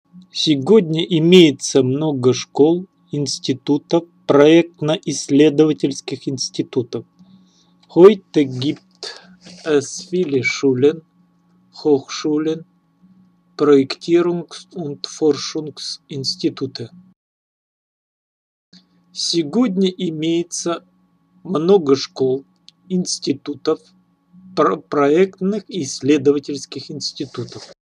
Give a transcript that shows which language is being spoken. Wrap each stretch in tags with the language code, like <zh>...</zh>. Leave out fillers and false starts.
<ru>Сегодня имеется много школ, институтов, проектно-исследовательских институтов.</ru> <de>Heute gibt es viele Schulen, Hochschulen, Projektierungs- und Forschungsinstitute.</de> <ru>Сегодня имеется много школ, институтов, проектных и исследовательских институтов.</ru>